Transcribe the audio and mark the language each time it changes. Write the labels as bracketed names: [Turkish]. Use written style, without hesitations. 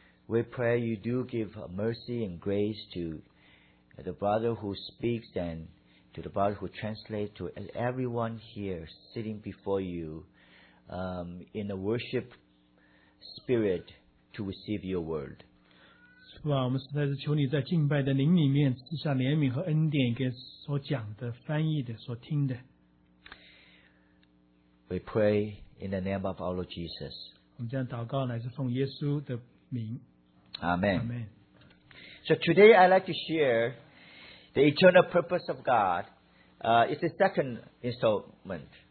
[English] We pray you do give mercy and grace to the brother who speaks and to the brother who translates to everyone here sitting before you in a worship spirit to receive your word. [Chinese] 主啊，我们实在是求你在敬拜的灵里面赐下怜悯和恩典，给所讲的、翻译的、所听的。 [English] We pray in the name of our Lord Jesus. [Chinese] 我们这样祷告，乃是奉耶稣的名。阿门。阿门。 [English] So today I'd like to share the eternal purpose of God. It's the second installment.